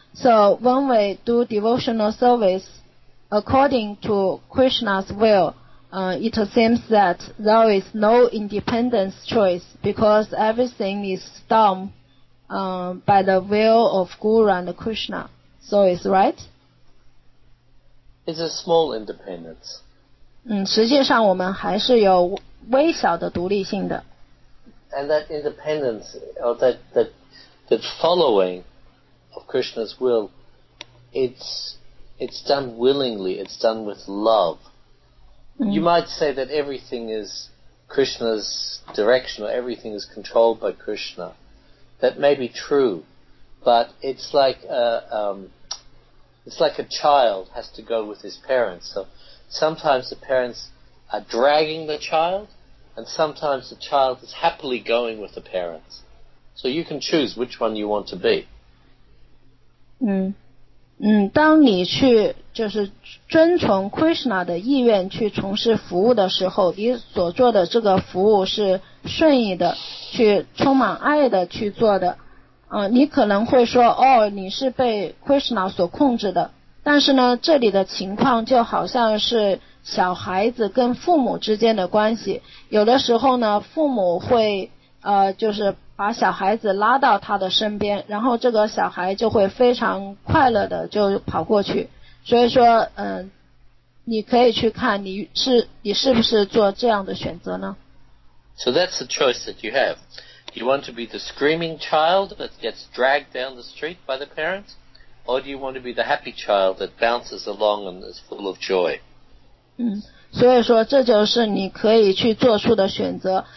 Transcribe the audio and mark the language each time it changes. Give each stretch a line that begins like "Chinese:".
English: So when we do devotional service according to Krishna's will, it seems that there is no independent choice because everything is done by the will of Guru and Krishna. So it's right? It's a small independence.
Chinese: 实际上我们还是有微小的独立性的。
English: And that independence, or that following of Krishna's will, it's done willingly, it's done with love. You might say that everything is Krishna's direction, or everything is controlled by Krishna. That may be true, but it's like a child has to go with his parents. So sometimes the parents are dragging the child, and sometimes the child is happily going with the parents. So you can choose which one you want to be.
Chinese: 当你去就是遵从 Krishna 的意愿去从事服务的时候，你所做的这个服务是顺意的，去充满爱的去做的。你可能会说，哦，你是被 Krishna 所控制的。但是呢，这里的情况就好像是小孩子跟父母之间的关系。有的时候呢，父母会就是把小孩子拉到他的身边，然后这个小孩就会非常快乐的就跑过去。所以说，你可以去看你是不是做这样的选择呢
English: ？So that's the choice that you have. You want to be the screaming child that gets dragged down the street by the parents? Or do you want to be the happy child that bounces along and is full of joy?
Chinese: 所以说这就是你可以去做出的选择。